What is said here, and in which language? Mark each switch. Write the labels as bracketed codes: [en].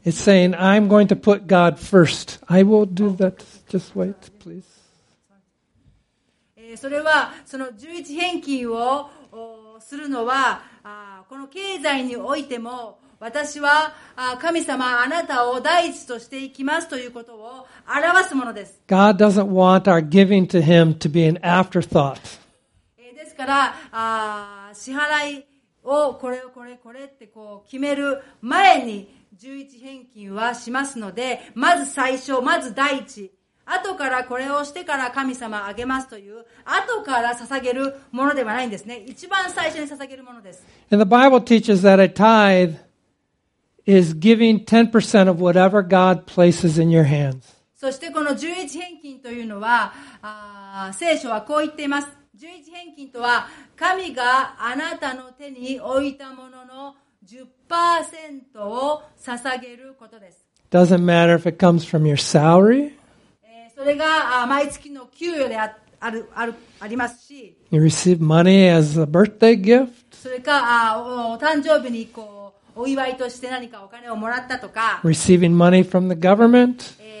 [en] It's saying, I'm going to put God first. I will do that. Just wait, please. [ja] それは、その11返金をするのは、この経済においても、私は神様、あなたを第一としていきますということを表すものです。 [en] God doesn't want our giving to Him to be an afterthought. [ja] ですから、支払い、をこれをこれこれってこう決める前に11返金はしますので、まず最初、まず第一、後からこれをしてから神様あげますという、後から捧げるものではないんですね。一番最初に捧げるものです。 [en] And the Bible teaches that a tithe is giving 10% of whatever God places in your hands. [ja] そしてこの11返金というのは、聖書はこう言っています。 11返金とは、神があなたの手に置いたものの 10% を捧げることです。 [en] Doesn't matter if it comes from your salary. [ja] それが毎月の給与でありますし。 [en] You receive money as a birthday gift. [ja] それか、お誕生日にこうお祝いとして何かお金をもらったとか。 [en] Receiving money from the government.